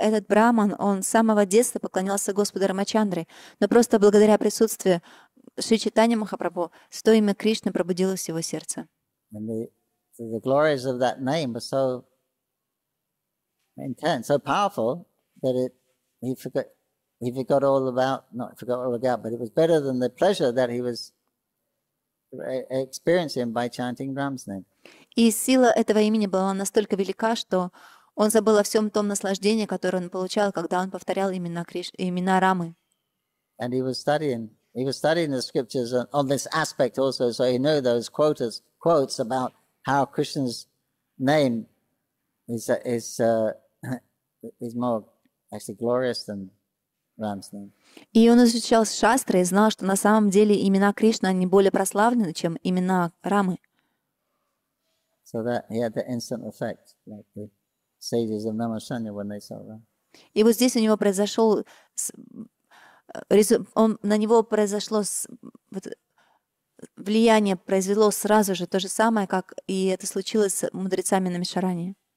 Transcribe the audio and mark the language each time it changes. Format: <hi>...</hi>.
<ru>Этот брахман, он с самого детства поклонялся Господу Рамачандре, но просто благодаря присутствию Шри Чайтаньи Махапрабху, то имя Кришны пробудилось в его сердце.</ru> <en>And the glories of that name were so intense, so powerful that he forgot all about, but it was better than the pleasure that he was experiencing by chanting Ram's name.</en> <ru>И сила этого имени была настолько велика, что он забыл о всем том наслаждении, которое он получал, когда он повторял имена имена Рамы.</ru> <en>And he was studying the scriptures on this aspect also, so he knew those quotes about how Krishna's name is more actually glorious than Ram's name.</en> <ru>И он изучал шастры и знал, что на самом деле имена Кришны они более прославлены, чем имена Рамы.</ru> <en>So that he had the instant effect, like the sages of Namashanya when they saw Ram.</en> <ru>И вот здесь у него произошел он, на него произошло вот, влияние произвело сразу же то же самое, как и это случилось с мудрецами на Мишаране.</ru>